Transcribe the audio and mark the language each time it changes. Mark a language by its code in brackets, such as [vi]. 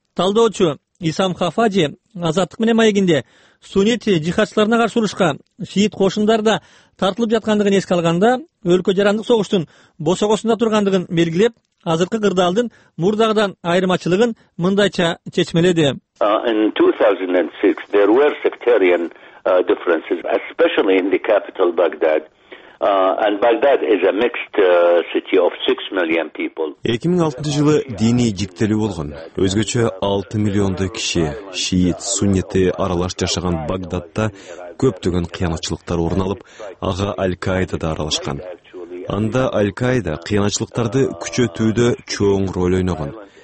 [ky] Талдоочу Исам Хафаджи Азаттык менен маегинде суннит жихадчыларына каршы урушка шиит кошундарда тартылып жаткандыгын эске алганда, өлкө жарандык согуштун босогосунда тургандыгын белгилеп, азыркы кырдаалдын мурдагыдан айырмачылыгын мындайча чечмеледи. [en] In 2006 there were sectarian differences, especially in the capital Baghdad. And Baghdad is a mixed city of 6 million people. [ky] 2006 жылы диний жиктелүү болгон. Өзгөчө 6 миллиондой киши шиит, суннити аралаш жашаган Багдадта көптөгөн кыянатчылыктар орун алып, ага Аль-Каида да аралашкан. Анда Аль-Каида кыянатчылыктарды күчөтүүдө чоң роль ойногон.